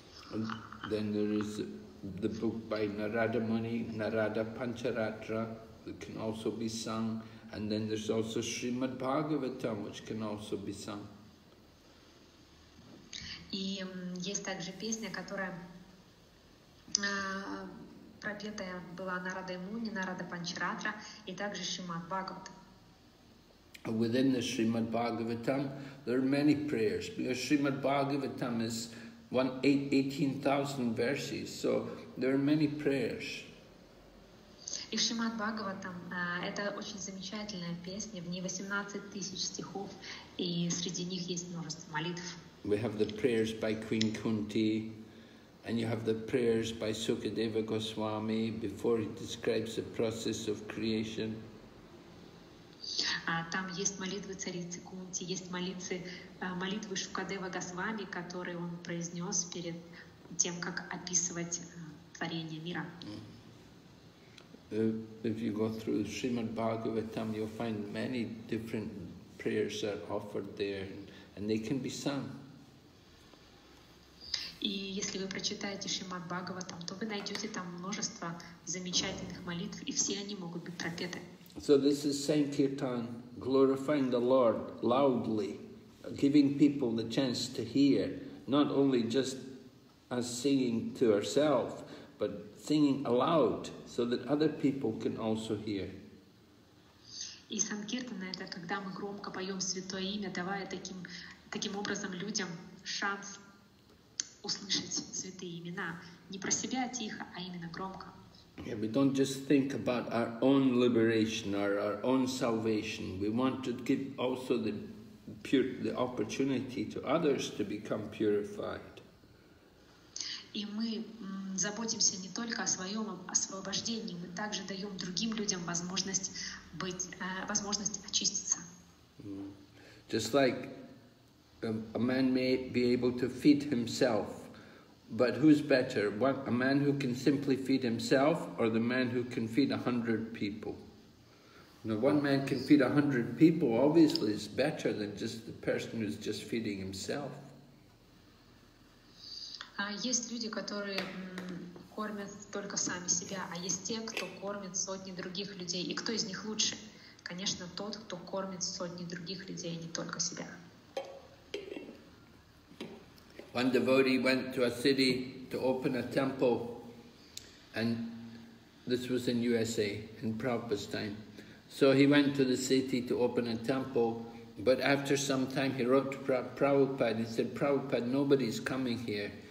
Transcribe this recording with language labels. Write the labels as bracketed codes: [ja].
[en] And then there is the book by Narada Muni, Narada Pancharatra, that can also be sung. And then there's also Srimad Bhagavatam, which can also be sung. [ru] И есть также песня, которая пропетая была Нарадой Муни, Нарада Панчаратра, и также Шримад Бхагаватам. [en] Within the Srimad Bhagavatam, there are many prayers, because Srimad Bhagavatam is 18,000 verses, so there are many prayers. [ru] И Шримад Бхагаватам — это очень замечательная песня, в ней 18,000 стихов, и среди них есть множество молитв. [en] We have the prayers by Queen Kunti, and you have the prayers by Sukadeva Goswami before he describes the process of creation. [ru] Там есть молитвы царицы Кунти, есть молитвы Шукадева Госвами, которые он произнес перед тем, как описывать творение мира. [en] If you go through Srimad Bhagavatam, you'll find many different prayers are offered there, and they can be sung. [ru] И если вы прочитаете Шримад Бхагаватам, то вы найдете там множество замечательных молитв, и все они могут быть пропеты. [en] So this is Sankirtan, glorifying the Lord loudly, giving people the chance to hear, not only just us singing to ourselves, but singing aloud so that other people can also hear. [ru] И Санкиртана — это когда мы громко поем Святое Имя, давая таким образом людям шанс услышать Святые Имена. Не про себя тихо, а именно громко. [en] Yeah, we don't just think about our own liberation or our own salvation. We want to give also the opportunity to others to become purified. [ru] И мы заботимся не только о своем освобождении, мы также даем другим людям возможность очиститься. [en] Just like a man may be able to feed himself. But who's better, a man who can simply feed himself or the man who can feed 100 people? Now, one man can feed 100 people, obviously, is better than just the person who's just feeding himself. [ru] Есть люди, которые кормят только сами себя, а есть те, кто кормит сотни других людей. И кто из них лучше? Конечно, тот, кто кормит сотни других людей, а не только себя. [en] One devotee went to a city to open a temple, and this was in USA, in Prabhupada's time. So he went to the city to open a temple, but after some time he wrote to Prabhupada and said, Prabhupada, nobody's coming here.